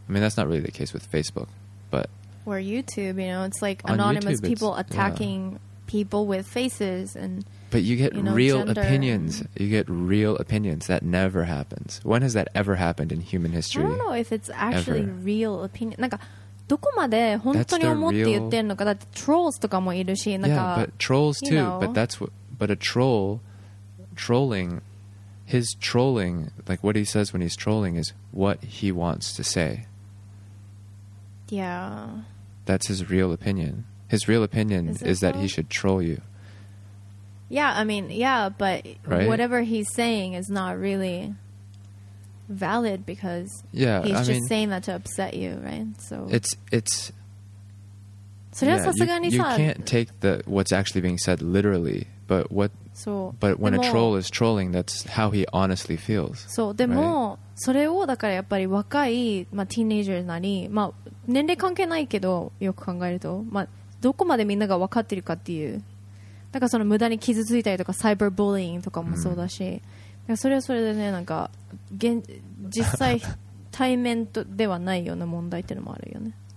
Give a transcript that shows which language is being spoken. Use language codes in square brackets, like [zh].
[en] I mean, that's not really the case with Facebook, but... Or YouTube, you know, it's like anonymous YouTube, people attacking people with faces and... But you get you know, real gender. Opinions. You get real opinions. That never happens. When has that ever happened in human history? I don't know if it's actually real opinion. [ja] なんかどこまで本当に思って言ってんのか。だってトロールとかもいるし、なんか。 [en] Yeah, but trolls too. But that's what. But a troll, trolling, his trolling, like what he says when he's trolling is what he wants to say. Yeah. That's his real opinion. His real opinion is that he should troll you. Yeah, I mean, yeah, but right? whatever he's saying is not really valid because he's just saying that to upset you, right? So you can't take the what's actually being said literally, but what so, but when a troll is trolling, that's how he honestly feels. So, [ja] でも、 [en] right? [ja] それをだからやっぱり若い、まあ、ティーンエイジャーなり、まあ、年齢関係ないけどよく考えると、まあ、どこまでみんなが分かってるかっていう。だからその無駄に傷ついたりとかサイバーボーリングとかもそうだし、だからそれはそれでねなんか実際対面とではないような問題っていうのもあるよね。